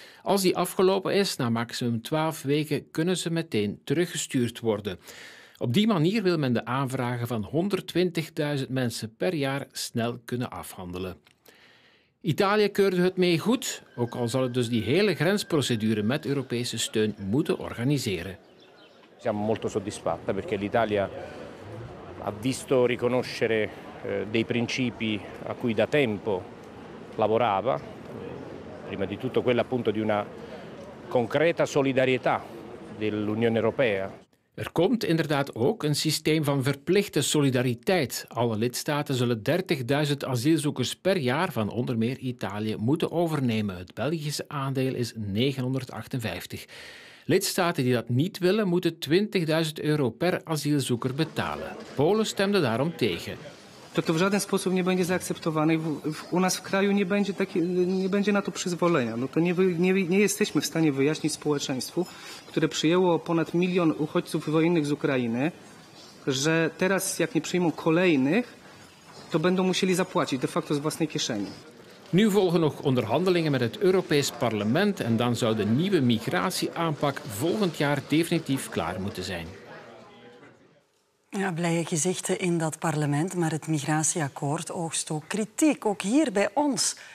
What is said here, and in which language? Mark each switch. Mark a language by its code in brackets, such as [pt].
[nl] Als die afgelopen is, na maximum 12 weken, kunnen ze meteen teruggestuurd worden. Op die manier wil men de aanvragen van 120.000 mensen per jaar snel kunnen afhandelen. Italië keurde het mee goed, ook al zal het dus die hele grensprocedure met Europese steun moeten organiseren. [it] Siamo molto soddisfatta perché l'Italia ha visto riconoscere dei principi a cui da tempo lavorava, prima di tutto quella appunto di una concreta solidarietà dell'Unione Europea. [nl] Er komt inderdaad ook een systeem van verplichte solidariteit. Alle lidstaten zullen 30.000 asielzoekers per jaar van onder meer Italië moeten overnemen. Het Belgische aandeel is 958. Lidstaten die dat niet willen, moeten €20.000 per asielzoeker betalen. Polen stemde daarom tegen. [pl] To w żaden sposób nie będzie zaakceptowane. U nas w kraju nie będzie, nie będzie na to przyzwolenia. No to nie jesteśmy w stanie wyjaśnić społeczeństwu, które przyjęło ponad 1 000 000 uchodźców wojennych z Ukrainy, że teraz jak nie przyjmą kolejnych, to będą musieli zapłacić de facto z własnej kieszeni. [nl] Nu volgen nog onderhandelingen met het Europees Parlement en dan zou de nieuwe migratieaanpak volgend jaar definitief klaar moeten zijn. Ja, blije gezichten in dat parlement, maar het migratieakkoord oogst ook kritiek, ook hier bij ons.